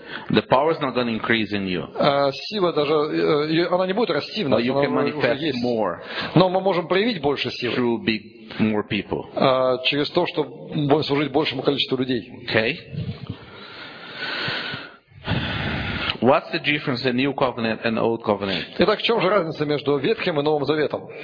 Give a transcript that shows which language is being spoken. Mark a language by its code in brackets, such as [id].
[en] The power is not going to increase in you. [ru] Сила даже она не будет расти в нас. [en] But you can manifest more. [ru] Но мы можем проявить больше силы. [en] Through big more people. [ru] Через то, что будем служить большему количеству людей. [en] Okay? What's the difference in New Covenant and Old Covenant? [ru] Итак, в чем же разница между Ветхим и Новым Заветом?